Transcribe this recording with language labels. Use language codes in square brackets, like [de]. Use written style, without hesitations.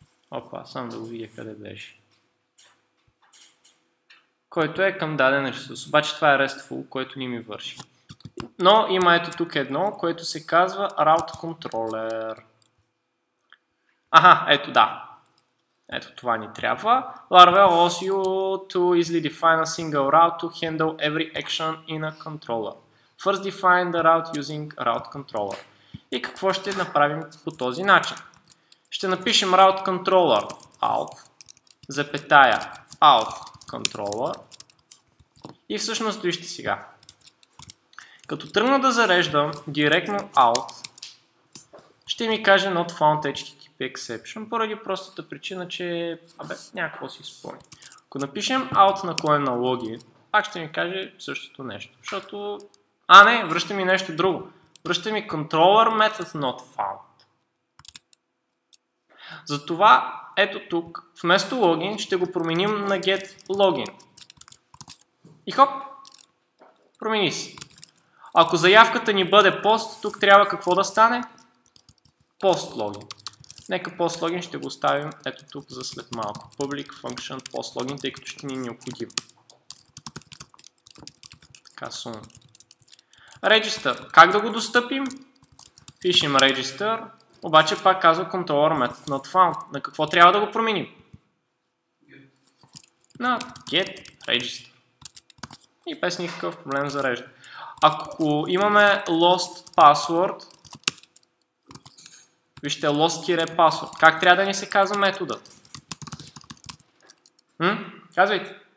[bg] Опа, само да го видя къде беше. Който е към даден ресурс. Обаче това е RESTful, което ни ми върши. Но има ето тук едно, което се казва Route Controller. Аха, ето да. Ето това ни трябва. [en] Laravel allows you to easily define a single route to handle every action in a controller. First define the route using Route Controller. [bg] И какво ще направим по този начин? Ще напишем Route Controller out, запетая out controller. И всъщност вижте сега. Като тръгна да зареждам директно out, ще ми каже [en] not found HTTP exception, [bg] поради простата причина, че някакво си спомня. Ако напишем out на колена логин, пак ще ми каже същото нещо. Защото... А, не, връща ми нещо друго. Връща ми [en] controller method not found. [bg] Затова, ето тук, вместо логин, ще го променим на get login. И хоп, промени си. Ако заявката ни бъде post, тук трябва какво да стане? Post login. Нека post login ще го оставим ето тук за след малко. Public function post login, тъй като ще ни е необходим. Така сум. Register. Как да го достъпим? Пишем register. Обаче пак казва [en] controller method not found. [bg] На какво трябва да го променим? На get register. И без никакъв проблем зарежда. Ако имаме lost password, вижте, lost-password. Как трябва да ни се казва методът? Казвайте.